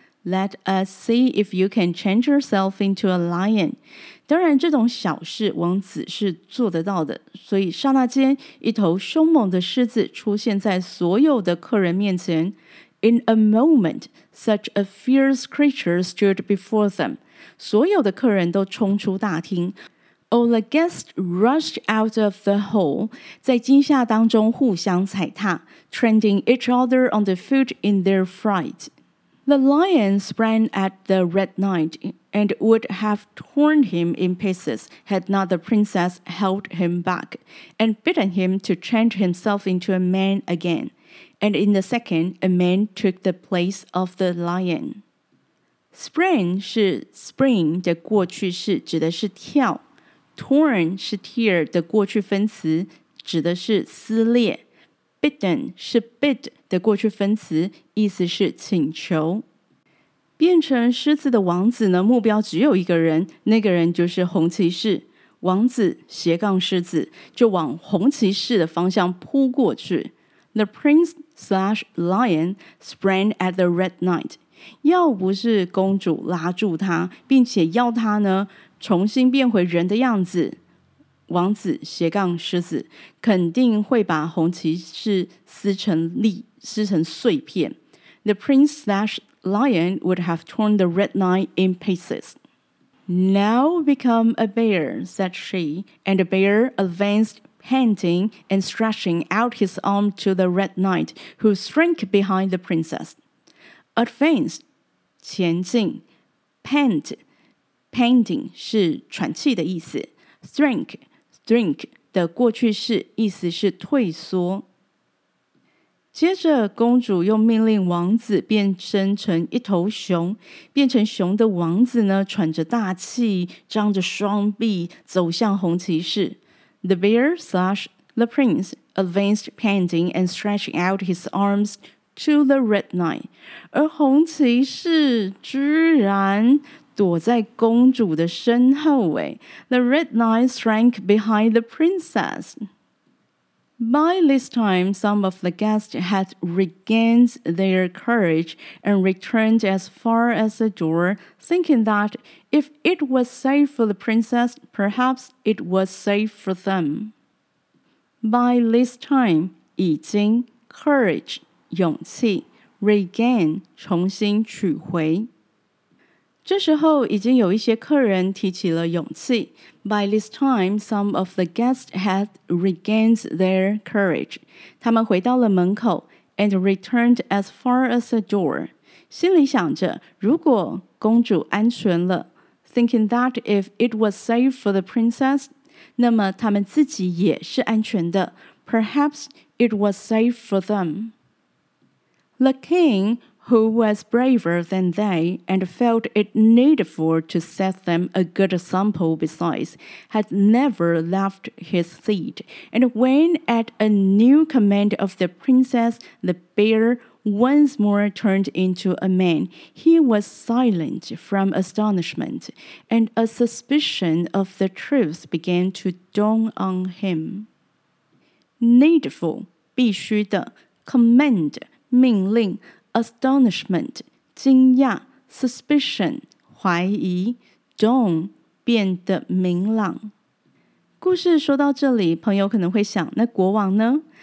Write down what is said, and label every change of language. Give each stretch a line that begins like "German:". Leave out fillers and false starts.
English: Let us see if you can change yourself into a lion
Chinese: 当然这种小事王子是做得到的所以刹那间一头凶猛的狮子出现在所有的客人面前
English: In a moment such a fierce creature stood before them
Chinese: 所有的客人都冲出大厅
English: All the guests rushed out of the hall,
Chinese: 在惊吓当中互相踩踏
English: treading each other on the foot in their fright. The lion sprang at the red knight and would have torn him in pieces had not the princess held him back and bidden him to change himself into a man again. And in a second, a man took the place of the lion.
Chinese: Sprang 是 spring 的过去式指的是跳。 Torn 是 tear 的过去分词，指的是撕裂。 Bidden 是 bid 的过去分词，意思是请求。变成狮子的王子呢，目标只有一个人，那个人就是红骑士。王子斜杠狮子，就往红骑士的方向扑过去。
English: The prince slash lion sprang at the red knight.
Chinese: 要不是公主拉住他，并且要他呢重新变回人的样子王子斜杠狮子肯定会把红骑士撕成粒撕成碎片
English: The prince slash lion would have torn the red knight in pieces Now become a bear, said she And the bear advanced panting and stretching out his arm to the red knight who shrank behind the princess
Chinese: Advanced 前进 pant Panting 是喘气的意思 Shrink 的过去式意思是退缩接着公主又命令王子变身成一头熊变成熊的王子呢喘着大气张着双臂走向红骑士
English: The bear slash the prince advanced panting and stretching out his armsTo the red knight.
Chinese: 而红骑士居然躲在公主的身后
English: The red knight shrank behind the princess. By this time, some of the guests had regained their courage and returned as far as the door, thinking that if it was safe for the princess, perhaps it was safe for them. By this time, 已经 courage, 勇气 regain, 重新取回。
Chinese: 这时候已经有一些客人提起了勇气。
English: By this time, some of the guests had regained their courage.
Chinese: 他们回到了门口
English: and returned as far as the door.
Chinese: 心里想着如果公主安全了
English: thinking that if it was safe for the princess,
Chinese: 那么他们自己也是安全的
English: perhaps it was safe for them. The king,who was braver than they and felt it needful to set them a good example besides, had never left his seat. And when at a new command of the princess, the bear once more turned into a man, he was silent from astonishment, and a suspicion of the truth began to dawn on him.
Chinese: Needful, 必须的, command, 命令,astonishment, 惊讶, suspicion, 怀疑, dawn, 变得明朗。故事说到这里，朋友可能会想，那国王呢？